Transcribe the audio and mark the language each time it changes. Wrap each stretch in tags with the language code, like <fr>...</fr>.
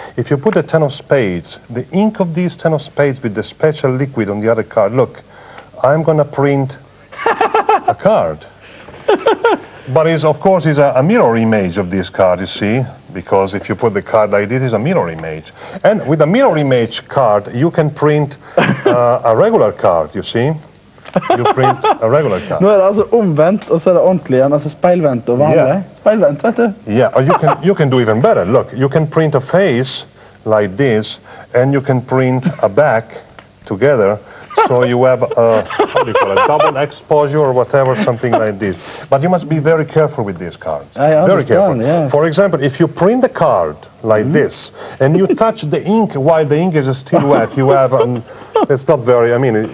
<en>If you put a 10 of spades, the ink of these 10 of spades with the special liquid on the other card, look, I'm going to print a card. But it's, of course, it's a mirror image of this card, you see, because if you put the card like this, it's a mirror image. And with a mirror image card, you can print a regular card, you see. You print a regular card.</en> <no>Nå det altså omvendt, og så det ordentlig igjen, altså speilvendt og vanlig. Speilvendt, vet du?</no> <en>Yeah, or you can do even better. Look, you can print a face like this, and you can print a back together. So you have a, how do you call it, double exposure or whatever, something like this. But you must be very careful with these cards. I understand, very careful. Yes. For example, if you print the card like this, and you touch the ink while the ink is still wet, you have, it's not very, I mean,</en>